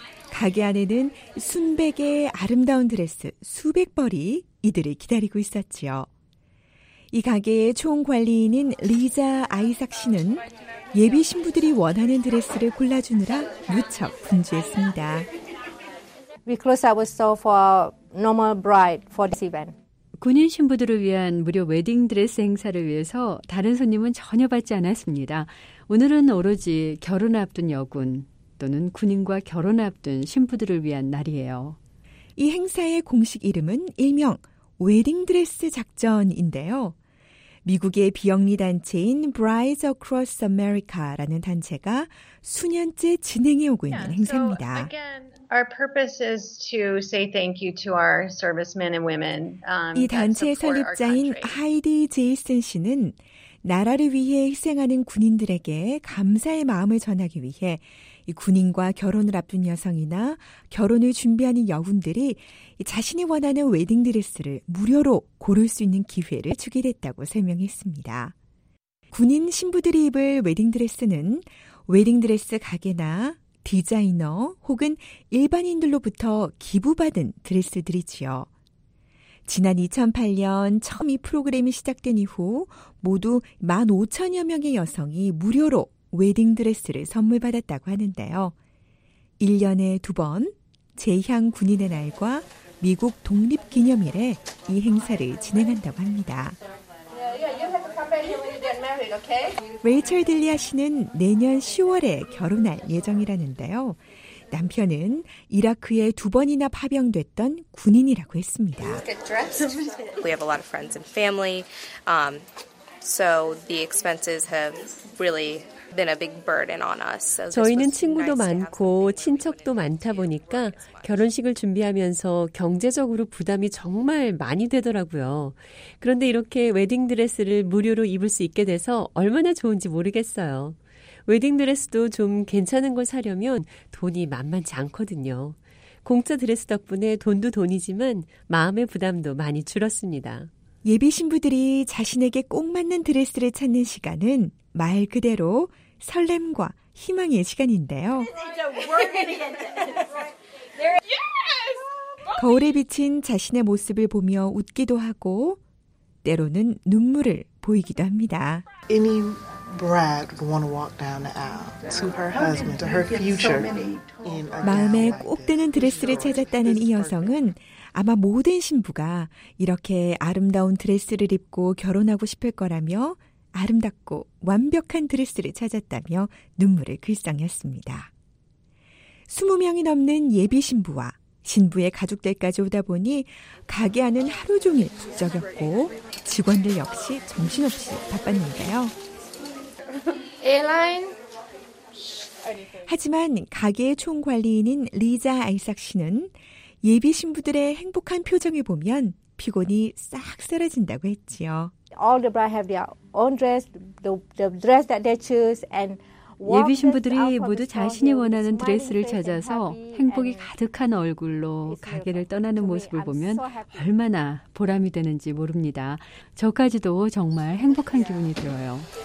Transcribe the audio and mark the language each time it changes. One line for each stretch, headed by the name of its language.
Korean: 가게 안에는 순백의 아름다운 드레스 수백 벌이 이들을 기다리고 있었지요. 이 가게의 총관리인인 리자 아이삭 씨는 예비 신부들이 원하는 드레스를 골라주느라 무척 분주했습니다.
English: We close our store for normal bride for this event.
Korean: 군인 신부들을 위한 무료 웨딩 드레스 행사를 위해서 다른 손님은 전혀 받지 않았습니다. 오늘은 오로지 결혼 앞둔 여군 또는 군인과 결혼 앞둔 신부들을 위한 날이에요. 이 행사의 공식 이름은 일명 웨딩 드레스 작전인데요. 미국의 비영리 단체인 Brides Across America라는 단체가 수년째 진행해 오고 있는 행사입니다.
English: Our purpose is to say thank you to our servicemen and women.
Korean: 이 단체의 설립자인 하이디 제이슨 씨는 나라를 위해 희생하는 군인들에게 감사의 마음을 전하기 위해 이 군인과 결혼을 앞둔 여성이나 결혼을 준비하는 여군들이 자신이 원하는 웨딩드레스를 무료로 고를 수 있는 기회를 주게 됐다고 설명했습니다. 군인 신부들이 입을 웨딩드레스는 웨딩드레스 가게나 디자이너 혹은 일반인들로부터 기부받은 드레스들이지요. 지난 2008년 처음 이 프로그램이 시작된 이후 모두 15,000여 명의 여성이 무료로 웨딩드레스를 선물받았다고 하는데요. 1년에 두 번 재향 군인의 날과 미국 독립기념일에 이 행사를 진행한다고 합니다. 레이첼 딜리아 씨는 내년 10월에 결혼할 예정이라는데요. 남편은 이라크에 두 번이나 파병됐던 군인이라고 했습니다.
English: We have a lot of friends and family. So the expenses have really been a big burden on us.
Korean: 저희는 친구도 많고 친척도 많다 보니까 결혼식을 준비하면서 경제적으로 부담이 정말 많이 되더라고요. 그런데 이렇게 웨딩드레스를 무료로 입을 수 있게 돼서 얼마나 좋은지 모르겠어요. 웨딩드레스도 좀 괜찮은 걸 사려면 돈이 만만치 않거든요. 공짜 드레스 덕분에 돈도 돈이지만 마음의 부담도 많이 줄었습니다. 예비 신부들이 자신에게 꼭 맞는 드레스를 찾는 시간은 말 그대로 설렘과 희망의 시간인데요. 거울에 비친 자신의 모습을 보며 웃기도 하고 때로는 눈물을 보이기도 합니다.
English: Any bride would want to walk down the aisle to her husband, to her future.
Korean: 마음에 꼭 드는 드레스를 찾았다는 이 여성은 아마 모든 신부가 이렇게 아름다운 드레스를 입고 결혼하고 싶을 거라며 아름답고 완벽한 드레스를 찾았다며 눈물을 글썽였습니다. 20명이 넘는 예비 신부와 신부의 가족들까지 오다 보니 가게 안은 하루 종일 북적였고 직원들 역시 정신없이 바빴는데요. 하지만 가게의 총관리인인 리자 아이삭 씨는 예비 신부들의 행복한 표정을 보면 피곤이 싹 사라진다고 했지요.
English: All the bride have their own dress, the dress that they choose and
Korean: 예비 신부들이 모두 자신이 원하는 드레스를 찾아서 행복이 가득한 얼굴로 가게를 떠나는 모습을 보면 얼마나 보람이 되는지 모릅니다. 저까지도 정말 행복한 기분이 들어요.